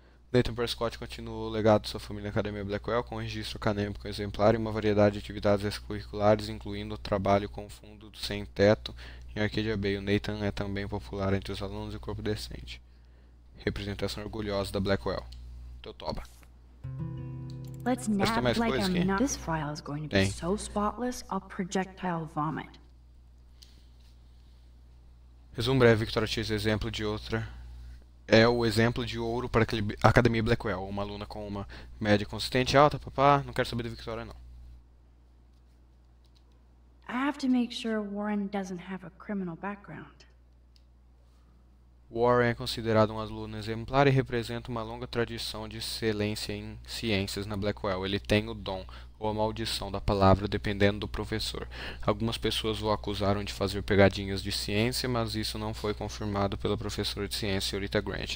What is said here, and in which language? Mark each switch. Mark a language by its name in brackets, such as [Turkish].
[Portuguese] Nathan Prescott continua o legado de sua família na Academia Blackwell, com registro acadêmico exemplar e uma variedade de atividades extracurriculares, incluindo o trabalho com o fundo sem teto em Arcadia Bay. O Nathan é também popular entre os alunos e o corpo decente. Representação orgulhosa da Blackwell. Então toba. [English] Let's nab like I'm not... This file is going to be so spotless, I'll projectile vomit. [Portuguese] Resumo breve, Victoria Chase, exemplo de outra... É o exemplo de ouro para a Academia Blackwell. Uma aluna com uma média consistente e alta, papá. Não quero saber da Victoria, não. [English] I have to make sure Warren doesn't have a criminal background. [Portuguese] Warren é considerado um aluno exemplar e representa uma longa tradição de excelência em ciências na Blackwell. Ele tem o dom ou a maldição da palavra, dependendo do professor. Algumas pessoas o acusaram de fazer pegadinhas de ciência, mas isso não foi confirmado pela professora de ciência, senhorita Grant.